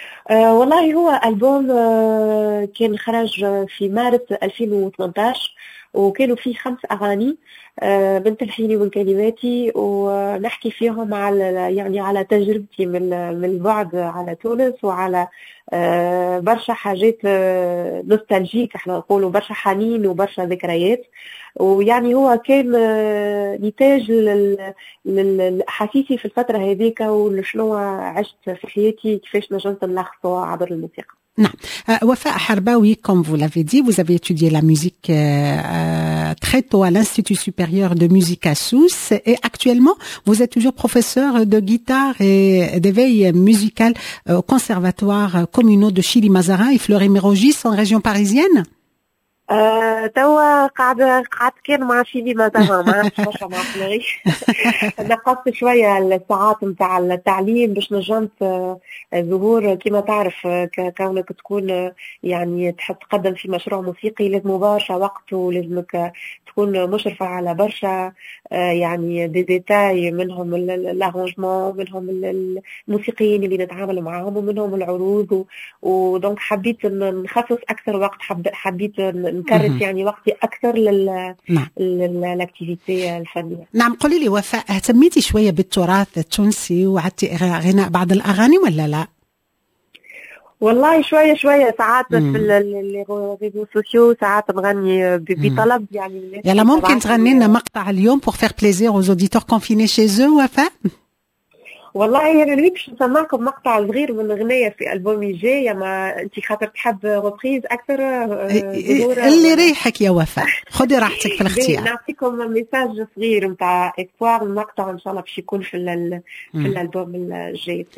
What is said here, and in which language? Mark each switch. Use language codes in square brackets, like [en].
[ar] والله هو ألبوم كان خرج في مارس 2018، وكانوا فيه خمس أغاني من تلحيني ومن كلماتي، ونحكي فيهم على يعني على تجربتي من البعد على تونس، وعلى برشا حاجات نوستالجيك احنا نقولوا، برشا حنين وبرشا ذكريات. ويعني هو كان نتاج لحسيسي في الفترة هذيك، وشنو عشت في حياتي كيفاش نجمت نلخصه عبر الموسيقى. نعم. [fr] وفاء حرباوي، comme vous l'avez dit, vous avez étudié la musique très tôt à l'Institut supérieur de musique à Sousse, et actuellement vous êtes toujours professeur de guitare et d'éveil musical au conservatoire communal de Chilly-Mazarin et Fleury-Mérogis en région parisienne. [ar] توا قعد كان مع شيلي مازارين، ما عرفتش مع فلوري. نقصت شوية الساعات متاع التعليم باش نجمت ظهور، كما تعرف كونك تكون يعني تحب تقدم في مشروع موسيقي لازم برشا وقت، ولازمك تكون مشرفة على برشا يعني دي ديتاي، منهم الارانجمون، منهم الموسيقيين اللي نتعامل معهم، ومنهم العروض. ودونك حبيت نخصص أكثر وقت، حبيت نكرس يعني وقتي أكثر للأكتيفيتي الفنية. نعم. قولي لي وفاء، اهتميتي شوية بالتراث التونسي وعدتي غناء بعض الأغاني ولا لا؟ والله شوية شوية، ساعات في الريزو سوسيو ساعات نغني بطلب يعني. يلا ممكن تغني لنا مقطع اليوم [fr] pour faire plaisir aux auditeurs confinés chez eux [ar] وفاء؟ والله انا نمشي نسمعكم مقطع صغير من اغنيه في البومي جاي، ما انت خاطر تحب ريبريز اكثر اللي ريحك يا وفاء، خدي راحتك في الاختيار. نعطيكم ميساج صغير نتاع اكوار، المقطع ان شاء الله باش يكون في الالبوم الجاي.